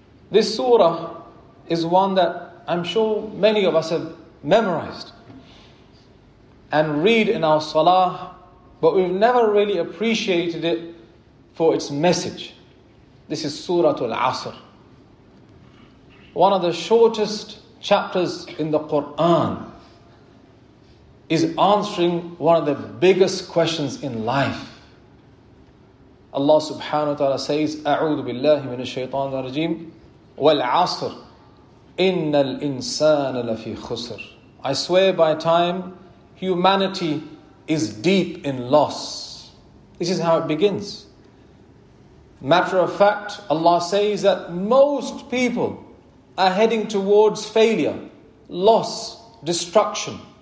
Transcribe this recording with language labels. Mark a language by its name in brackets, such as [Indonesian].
[English] This surah is one that I'm sure many of us have memorized and read in our salah, but we've never really appreciated it for its message. This is Surah Al-Asr, one of the shortest chapters in the Quran, is answering one of the biggest questions in life. Allah subhanahu wa ta'ala says, [Arabic] أَعُوذُ بِاللَّهِ مِنَ الشَّيْطَانِ الرَّجِيمِ وَالْعَصْرِ إِنَّ الْإِنسَانَ لَفِي خُسْرِ. [English] I swear by time, humanity is deep in loss. This is how it begins. Matter of fact, Allah says that most people are heading towards failure, loss, destruction.